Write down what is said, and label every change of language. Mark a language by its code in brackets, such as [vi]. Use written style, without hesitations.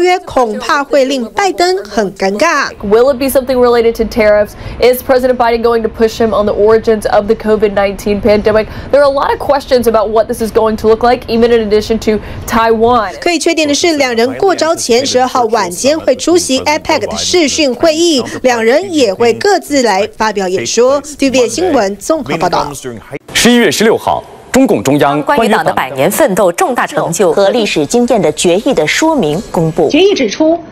[zh] 另外传出，习近平可能会在视讯会议上邀请拜登出席明年2月的北京冬奥。不过，中国因为在新疆、西藏和香港人权记录不良，这个邀约恐怕会令拜登很尴尬。Will [en] it be something related to tariffs? Is President Biden going to push him on the origins of the COVID-19 pandemic? There are a lot of questions about what this is going to look like, even in addition to Taiwan. [zh] 可以确定的是，两人过招前12号晚 晚间会出席 APEC 的视讯会议，两人也会各自来发表演说。TVBS新闻综合报道。11月16号，中共中央关于党的百年奋斗、重大成就和历史经验的决议的说明公布。决议指出，